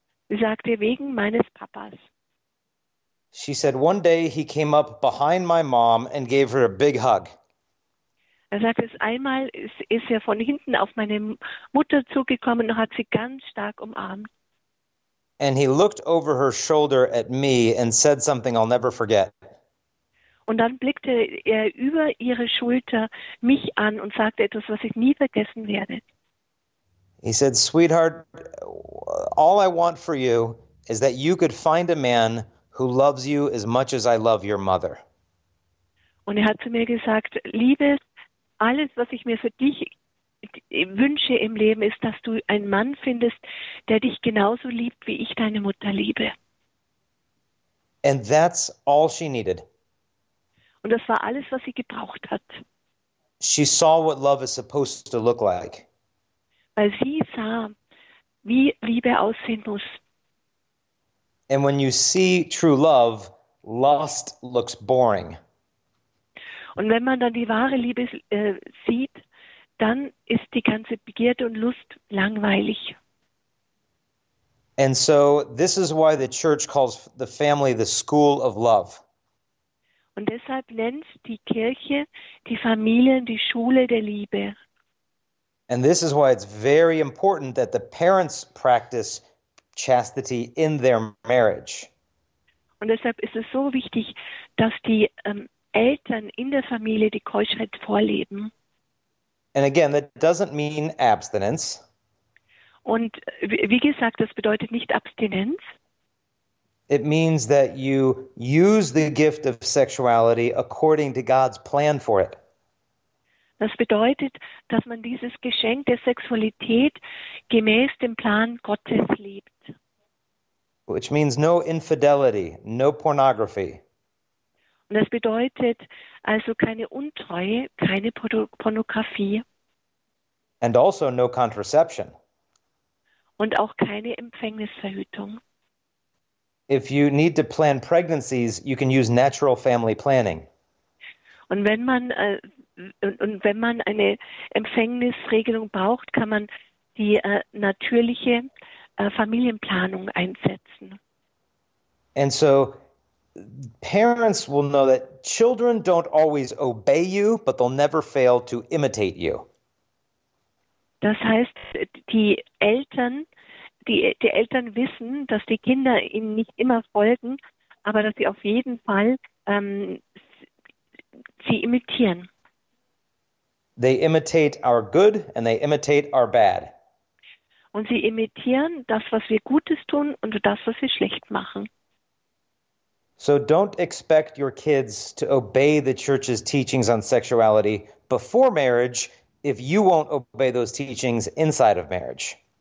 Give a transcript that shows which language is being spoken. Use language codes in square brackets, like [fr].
[de] Sie sagte, wegen meines Papas. [en] She said, one day he came up behind my mom and gave her a big hug. [de] Er sagte, einmal ist er von hinten auf meine Mutter zugekommen und hat sie ganz stark umarmt. [en] And he looked over her shoulder at me and said something I'll never forget. [de] Und dann blickte er über ihre Schulter mich an und sagte etwas, was ich nie vergessen werde. [en] He said, sweetheart, all I want for you is that you could find a man who loves you as much as I love your mother. [de] Und er hat zu mir gesagt, Liebes, alles, was ich mir für dich wünsche im Leben, ist, dass du einen Mann findest, der dich genauso liebt, wie ich deine Mutter liebe. [en] And that's all she needed. [de] Und das war alles, was sie gebraucht hat. [en] She saw what love is supposed to look like. [de] Weil sie sah, wie Liebe aussehen muss. [en] And when you see true love, lust looks boring. [de] Und wenn man dann die wahre Liebe sieht, dann ist die ganze Begierde und Lust langweilig. [en] And so this is why the church calls the family the school of love. [de] Und deshalb nennt die Kirche die Familie die Schule der Liebe. [en] And this is why it's very important that the parents practice chastity in their marriage. [de] Und deshalb ist es so wichtig, dass die Eltern in der Familie die Keuschheit vorleben. [en] And again, that doesn't mean abstinence. [de] Und wie gesagt, das bedeutet nicht Abstinenz. [en] It means that you use the gift of sexuality according to God's plan for it. [de] Das bedeutet, dass man dieses Geschenk der Sexualität gemäß dem Plan Gottes lebt. [en] Which means no infidelity, no pornography. [de] Und das bedeutet also keine Untreue, keine Pornografie. [en] And also no contraception. [de] Und auch keine Empfängnisverhütung. [en] If you need to plan pregnancies, you can use natural family planning. [de] Und wenn man eine Empfängnisregelung braucht, kann man die natürliche Familienplanung einsetzen. [en] And so parents will know that children don't always obey you, but they'll never fail to imitate you. [de] Das heißt, die Eltern wissen, dass die Kinder ihnen nicht immer folgen, aber dass sie auf jeden Fall sie imitieren. [en] They imitate our good and they imitate our bad. [de] Und sie imitieren das, was wir Gutes tun und das, was wir schlecht machen. [en] So don't expect your kids to obey the church's teachings on sexuality before marriage if you won't obey those teachings inside of marriage.